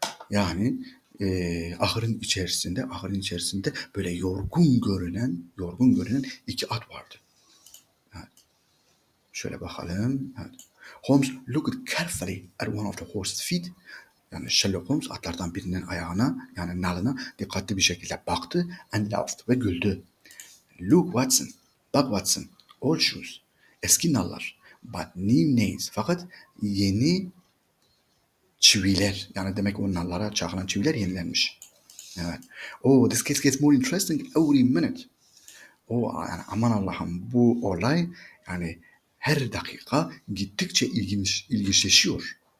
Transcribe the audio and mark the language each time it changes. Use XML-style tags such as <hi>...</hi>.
<tr>Yani ahırın içerisinde böyle yorgun görünen iki at vardı. Şöyle bakalım.</tr> <en>Holmes looked carefully at one of the horse's feet.</en> <tr>Yani Sherlock Holmes atlardan birinin ayağına, yani nalına dikkatli bir şekilde baktı</tr> <en>and laughed</en> <tr>ve güldü.</tr> <en>Look Watson,</en> <tr>bak Watson,</tr> <en>old shoes,</en> <tr>eski nallar,</tr> <en>but new nails,</en> <tr>fakat yeni çiviler, yani demek o nallara çakılan çiviler yenilenmiş. Evet.</tr> <en>Oh, this case gets more interesting every minute.</en> <tr>Oh, yani aman Allah'ım, bu olay yani her dakika gittikçe ilginçleşiyor.</tr>